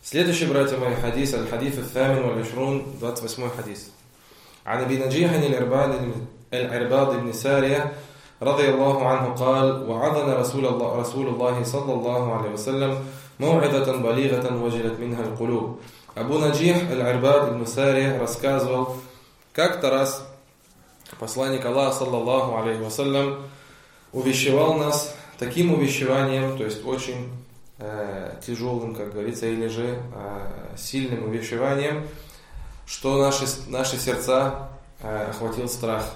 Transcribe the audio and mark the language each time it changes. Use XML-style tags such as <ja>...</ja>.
<ru>Следующий, братья мои, хадис, аль-хадиф аль-фамин валь-ишрун, 28-й хадис.</ru> <ar>عن أبي نجيح العرباض بن سارية رضي الله عنه قال وعظنا رسول الله صلى الله عليه وسلم موعظة بليغة وجلت منها القلوب.</ar> <ru>أبو نجيح العرباض بن سارية рассказывал, как-то раз посланник Аллаха</ru> <ar>صلى الله عليه وسلم</ar> <ru>увещевал нас таким увещеванием, то есть очень тяжелым, как говорится, или же сильным увещеванием, что наши сердца охватил страх.</ru>